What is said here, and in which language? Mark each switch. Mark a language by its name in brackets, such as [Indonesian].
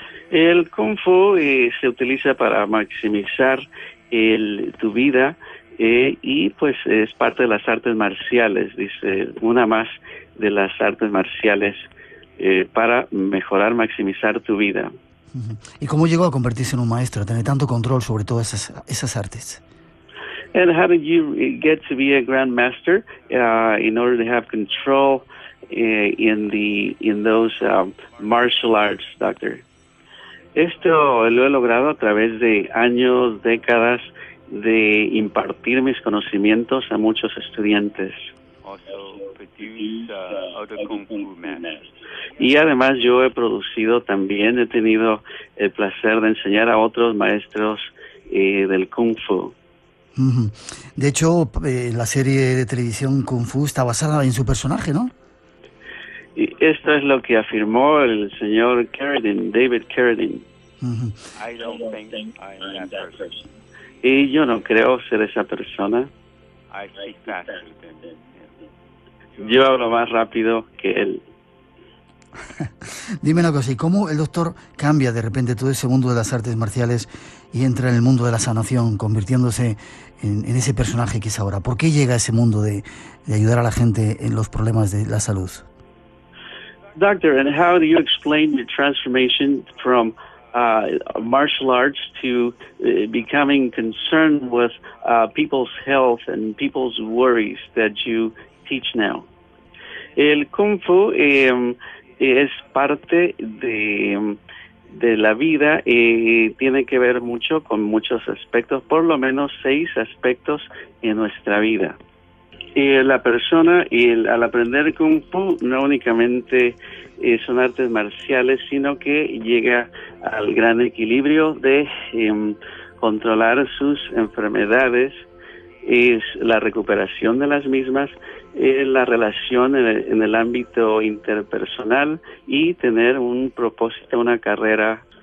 [Spanish] El Kung Fu se utiliza para maximizar tu vida y pues es parte de las artes marciales, dice, una más de las artes marciales para mejorar, maximizar tu vida. ¿Y cómo llegó a convertirse en un maestro, a tener tanto control sobre todas esas artes? [English] And how did you get to be a grandmaster in order to have control in those martial arts, doctor? [Spanish] Esto lo he logrado a través de años, décadas de impartir mis conocimientos a muchos estudiantes. Y además yo he producido también, he tenido el placer de enseñar a otros maestros del Kung Fu. De hecho, la serie de televisión Kung Fu está basada en su personaje, ¿no? Y esto es lo que afirmó el señor Carradine, David Carradine. [English] I don't think I'm that person. [Spanish] Y yo no creo ser esa persona. [English] I speak faster than him. [Spanish] Yo hablo más rápido que él. Dime una cosa, ¿y cómo el doctor cambia de repente todo ese mundo de las artes marciales y entra en el mundo de la sanación, convirtiéndose en ese personaje que es ahora? ¿Por qué llega a ese mundo de ayudar a la gente en los problemas de la salud? [English] Doctor, and how do you explain the transformation from martial arts to becoming concerned with people's health and people's worries that you teach now? [Spanish] El Kung Fu es parte de la vida y tiene que ver mucho con muchos aspectos, por lo menos 6 aspectos en nuestra vida. Y la persona, al aprender Kung Fu, no únicamente son artes marciales, sino que llega al gran equilibrio de controlar sus enfermedades, es la recuperación de las mismas, la relación en el ámbito interpersonal y tener un propósito, una carrera.